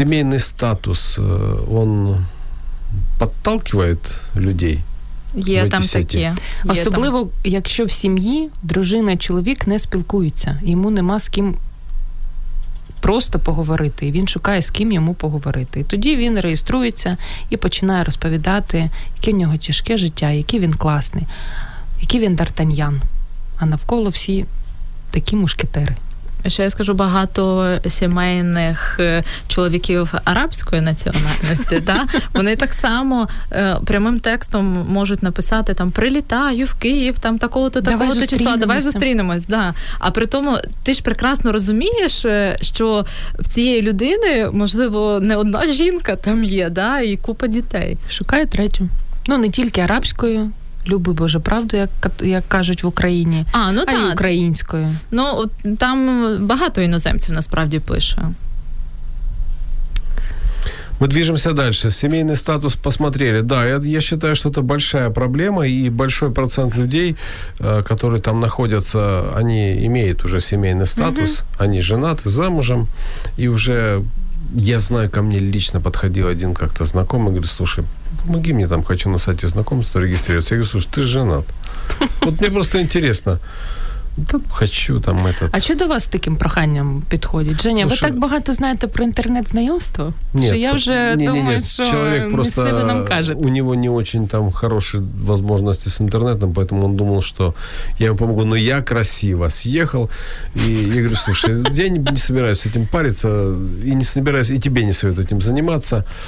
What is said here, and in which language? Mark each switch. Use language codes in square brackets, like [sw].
[ru] Семейный статус, он подталкивает людей. [uk] Є там такі. Особливо, якщо в сім'ї дружина, чоловік не спілкуються. Йому нема з ким просто поговорити. І він шукає, з ким йому поговорити. І тоді він реєструється і починає розповідати, яке в нього тяжке життя, який він класний, який він Д'Артаньян. А навколо всі такі мушкетери. А ще я скажу, багато сімейних чоловіків арабської національності, да? Вони так само прямим текстом можуть написати, там, прилітаю в Київ, там, такого-то, такого-то числа, давай зустрінемось, да. А при тому, ти ж прекрасно розумієш, що в цієї людини, можливо, не одна жінка там є, да, і купа дітей. Шукає третю. Ну, не тільки арабською. Люби Боже правду, як кажуть в Україні, а, ну, а так. І українською. Ну, там багато іноземців насправді пише. [ru] Мы движемся дальше. Семейный статус посмотрели. Да, я считаю, что это большая проблема, и большой процент людей, которые там находятся, они имеют уже семейный статус, они женаты, замужем, и уже, я знаю, ко мне лично подходил один как-то знакомый, говорит, слушай, помоги мне там, хочу на сайте знакомства регистрироваться. Я говорю, слушай, ты женат. Вот мне просто интересно. Та хочу там этот. [uk] А що до вас таким проханням підходить? Женя, ви так багато знаєте про інтернет-знайомство? Що я вже думаю, що не все ви нам кажете. У нього [ru] не очень [uk] там хороші можливості з інтернетом, тому він думав, що я йому допоможу. Ну, я красиво з'їхав. [ru] І я говорю, слушай, я не собираюсь этим париться, і не собираюсь, і тебе не советую этим заниматься.